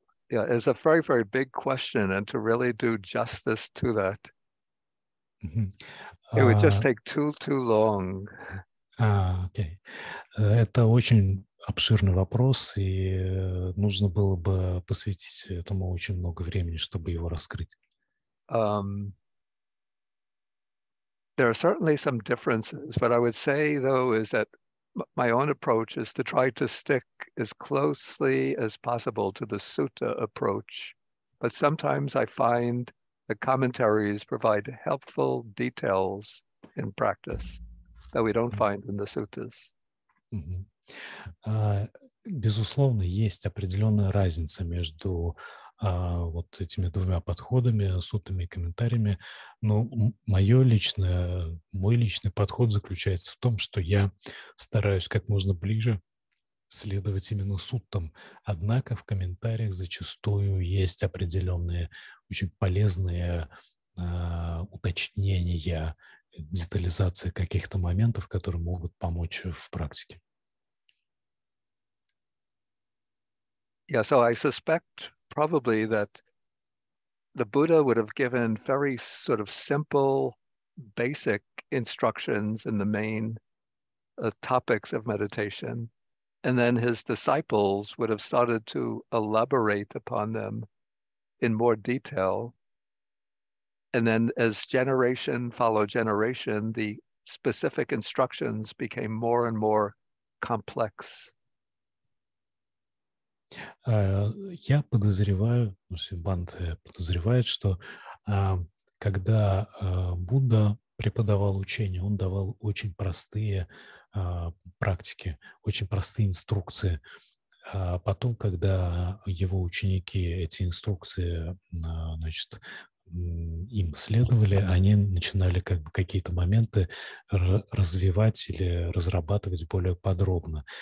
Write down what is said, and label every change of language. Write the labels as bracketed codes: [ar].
[en] Yeah, it's a very, very big question, and to really do justice to that, it would just take too long. Okay. [ru] Это очень обширный вопрос, и нужно было бы посвятить этому очень много времени, чтобы его раскрыть. [en] There are certainly some differences. What I would say, though, is that my own approach is to try to stick as closely as possible to the sutta approach, but sometimes I find the commentaries provide helpful details in practice that we don't find in the suttas. Mm-hmm. [ru] Безусловно, есть определенная разница между вот этими двумя подходами, суттами и комментариями. Но мой личный подход заключается в том, что я стараюсь как можно ближе следовать именно суттам. Однако в комментариях зачастую есть определенные очень полезные уточнения, детализация каких-то моментов, которые могут помочь в практике. [en] Yeah, so I suspect probably that the Buddha would have given very sort of simple, basic instructions in the main topics of meditation. And then his disciples would have started to elaborate upon them in more detail. And then as generation followed generation, the specific instructions became more and more complex. [ru] Я подозреваю, Банте подозревает, что когда Будда преподавал учение, он давал очень простые практики, очень простые инструкции. Потом, когда его ученики эти инструкции, значит, им следовали, они начинали как бы какие-то моменты развивать или разрабатывать более подробно.